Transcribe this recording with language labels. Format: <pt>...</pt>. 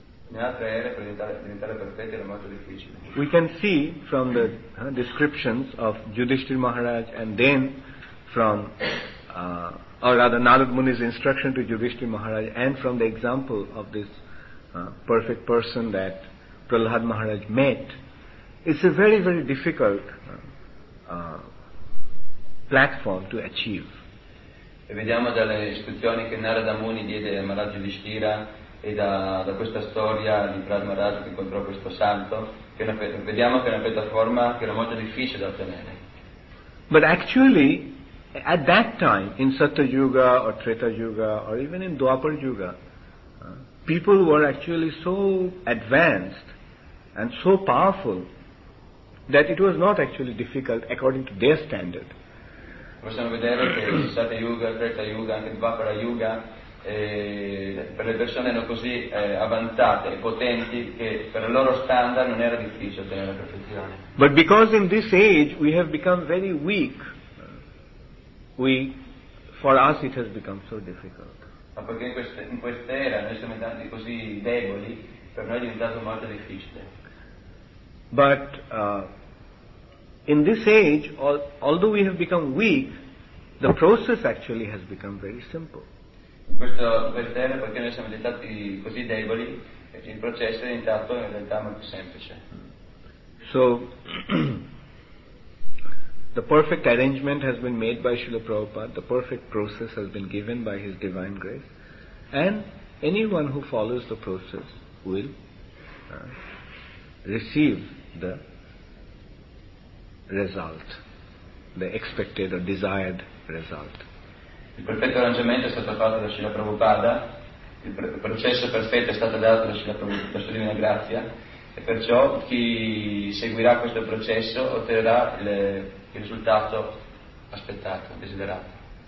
<en>We can see from the descriptions of Yudhishthir Maharaj and then from, or rather Narad Muni's instruction to Yudhishthir Maharaj and from the example of this perfect person that Prahlad Maharaj met, it's a very, very difficult platform to achieve.</en> <it>E vediamo dalle istruzioni che Narada Muni diede a Maharaj Yudhishthira e da questa storia di Prahlad Maharaj che incontrò questo santo, che vediamo che è una piattaforma che era molto difficile da ottenere.</it> <en>But actually, at that time, in Satya Yuga or Treta Yuga or even in Dwapar Yuga, people were actually so advanced and so powerful that it was not actually difficult according to their standard.</en> <it>Possiamo vedere che Satya Yuga, Treta Yuga, anche Dvapara Yuga, per le persone erano così avanzate e potenti che per il loro standard non era difficile ottenere la perfezione.</it> <en>But because in this age we have become very weak, for us it has become so difficult.</en> <it>Ma perché in quest'era noi siamo diventati così deboli, per noi è diventato molto difficile.</it> <en>But in this age, although we have become weak, the process actually has become very simple.</en> <it>In questo era, perché noi siamo diventati così deboli, il processo è diventato in realtà molto semplice.</it> <en>So, the perfect arrangement has been made by Srila Prabhupada, the perfect process has been given by His Divine Grace, and anyone who follows the process will receive the result, the expected or desired result.</en> <it>Il perfetto arrangiamento è stato fatto da Srila Prabhupada, il processo perfetto è stato dato da Srila Prabhupada, la sua divina grazia, e perciò chi seguirà questo processo otterrà il risultato aspettato, desiderato.</it>